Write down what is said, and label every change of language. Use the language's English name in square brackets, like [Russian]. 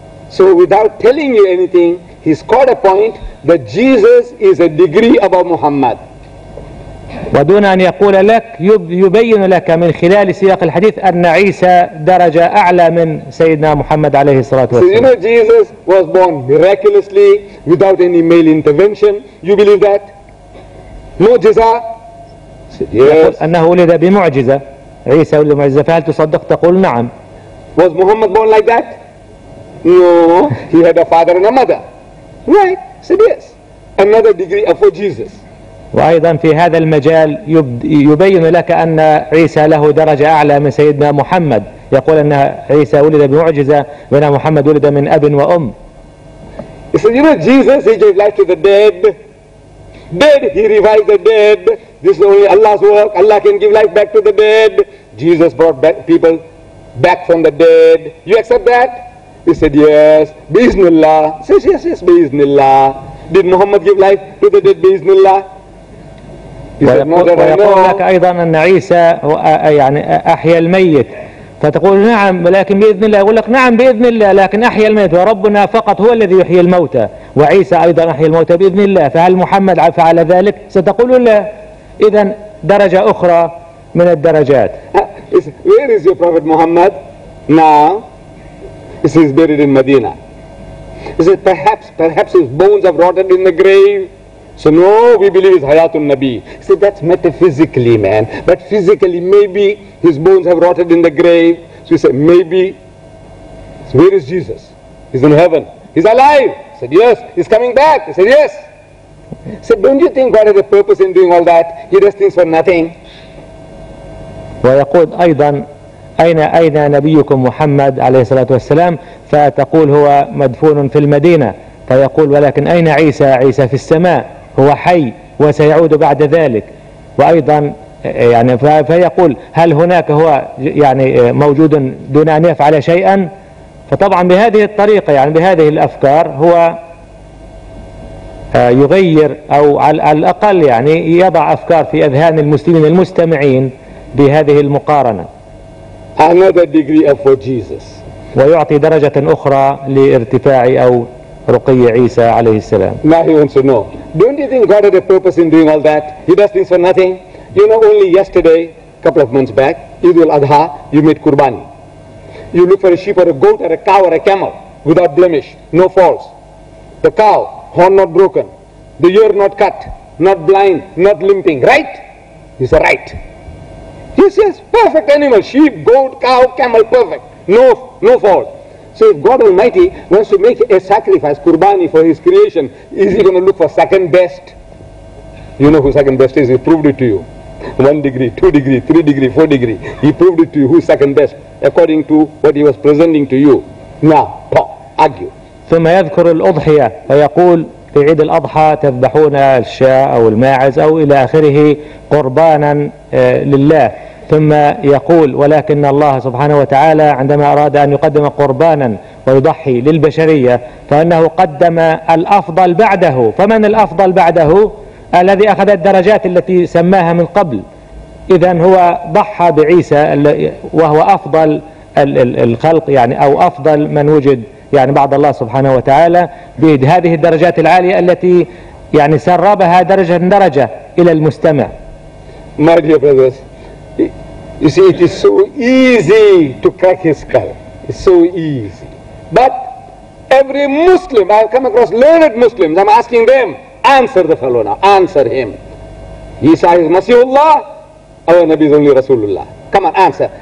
[English] So without telling you anything, he scored a point that Jesus is a degree above Muhammad. [Arabic] ودون أن يقول لك يبين لك من خلال سياق الحديث أن عيسى درجة أعلى من سيدنا محمد عليه الصلاة والسلام. [English] So you know Jesus was born miraculously without any male intervention. You believe that? معجزة. [Arabic] يقول أنه ولد بمعجزة. عيسى ولد بمعجزة، فهل تصدق؟ تقول نعم. [English] Was Muhammad born like that? No. He had a father and a mother. Right. Said yes. Another degree of Jesus. [Arabic] وأيضا في هذا المجال يبين لك أن عيسى له درجة أعلى من سيدنا محمد. يقول أن عيسى ولد بمعجزة وأن محمد ولد من أب وأم. [English] He said, you know Jesus, he gave life to the dead. Dead, he revived the dead. This is only Allah's work. Allah can give life back to the dead. Jesus brought back people back from the dead. You accept that? He said, yes. Bismillah. He says, yes, yes, Bismillah. Did Muhammad give life to the dead? Bismillah. [Arabic] ويقول لك أيضا أن عيسى يعني أحيى الميت، فتقول نعم ولكن بإذن الله. يقول لك نعم بإذن الله لكن أحيى الميت، وربنا فقط هو الذي يحيي الموتى، وعيسى أيضا أحيى الموتى بإذن الله، فهل محمد فعل ذلك؟ ستقول لا. إذا درجة أخرى من الدرجات. [English] Where is your prophet Muhammad now? He says buried in Medina. He says perhaps his bones have rotted in the grave. So no, we believe it's Hayatul Nabi. He said, that's metaphysically, man. But physically, maybe his bones have rotted in the grave. So he said, maybe. So where is Jesus? He's in heaven. He's alive. He said, yes. He's coming back. He said, yes. He said, don't you think God has a purpose in doing all that? He does things for nothing. [Arabic] ويقول أيضا أين نبيكم محمد عليه الصلاة والسلام؟ فتقول هو مدفون في المدينة. فيقول ولكن أين عيسى؟ عيسى في السماء، هو حي وسيعود بعد ذلك. وأيضا يعني فيقول هل هناك هو يعني موجود دون أن يفعل شيئا؟ فطبعا بهذه الطريقة يعني بهذه الأفكار هو يغير، أو على الأقل يعني يضع أفكار في أذهان المسلمين المستمعين بهذه المقارنة. [English] Another degree of Jesus. [Arabic] ويعطي درجة أخرى لارتفاع أو رقي عيسى عليه السلام. [English] Now he wants to know. Don't you think God had a purpose in doing all that? He does things for nothing. You know, only yesterday, couple of months back, Eid al-Adha, you made Qurbani. You look for a sheep or a goat or a cow or a camel without blemish, no faults. The cow, horn not broken. The ear not cut, not blind, not limping. Right? He said, right. He says, perfect animal, sheep, goat, cow, camel, perfect. no fault. So if God Almighty wants to make a sacrifice, Qurbani, for His creation, is He going to look for second best? You know who second best is? He proved it to you. 1 degree, 2 degree, 3 degree, 4 degree. He proved it to you, who's second best, according to what He was presenting to you. Now, talk, argue. [Arabic] ثم يذكر الأضحية فيقول في عيد الأضحى تذبحون الشاء أو الماعز أو إلى آخره قربانا لله. ثم يقول ولكن الله سبحانه وتعالى عندما أراد أن يقدم قربانا ويضحي للبشرية فأنه قدم الأفضل بعده. فمن الأفضل بعده؟ الذي أخذ الدرجات التي سماها من قبل. إذن هو ضحى بعيسى وهو أفضل الخلق يعني أو أفضل من وجد يعني بعد الله سبحانه وتعالى بهذه الدرجات العالية التي يعني سربها درجة درجة إلى المستمع. [English] My dear brothers, you see it is so easy to crack his skull. It's so easy. But every Muslim, I've come across learned Muslims, I'm asking them, answer the fellow now, answer him. Isa is Masihullah, our Nabi is only Rasulullah. Come on, answer.